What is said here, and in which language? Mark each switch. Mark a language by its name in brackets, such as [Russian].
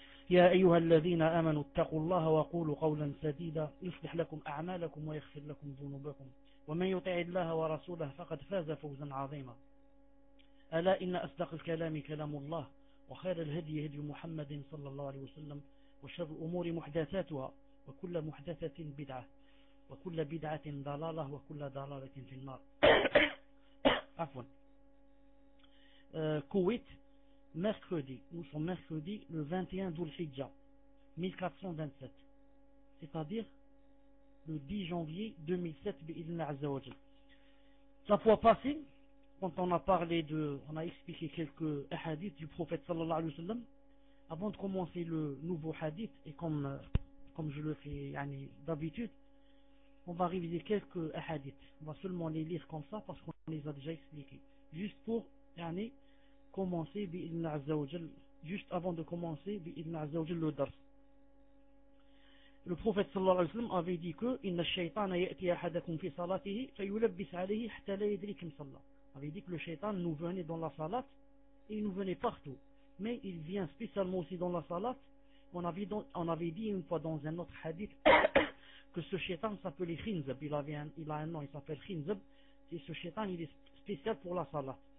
[Arabic] يا أيها الذين آمنوا اتقوا الله وقولوا قولا سديدا يصلح لكم أعمالكم ويغفر لكم ذنوبكم ومن يطع الله ورسوله فقد فاز فوزا عظيما. ألا إن أصدق الكلام كلام الله وخير الهدي هدي محمد صلى الله عليه وسلم وشر الأمور محدثاتها وكل محدثة بدعة وكل بدعة ضلالة وكل ضلالة في النار. عفوا. [French] كويت mercredi, nous sommes mercredi le 21 Dhul-Hijja 1427, c'est-à-dire le 10 janvier 2007 [Arabic] bi-idhni azza wa jal. [French] La fois passée, quand on a parlé de, on a expliqué quelques hadiths du prophète sallallahu alayhi wa sallam, avant de commencer le nouveau hadith, et comme je le fais yani, d'habitude, on va réviser quelques hadiths. On va seulement les lire comme ça parce qu'on les a déjà expliqués. Juste pour yani, commencer [Arabic] بإذن عز وجل, [French] juste avant de commencer بإذن عز وجل le dars. Le prophète صلى الله عليه وسلم avait dit que [Arabic] إن الشيطان يأتي أحدكم في صلاته فيلبس عليه حتى لا يدري كم صلى. [French] Avait dit que le shaitan nous venait dans la salat et il nous venait partout, mais il vient spécialement aussi dans la salat. On avait dit une fois dans un autre hadith que ce shaitan s'appelait Khinzab. Il a un nom, il s'appelle Khinzab. Et ce shaitan, il est spécial pour la salat.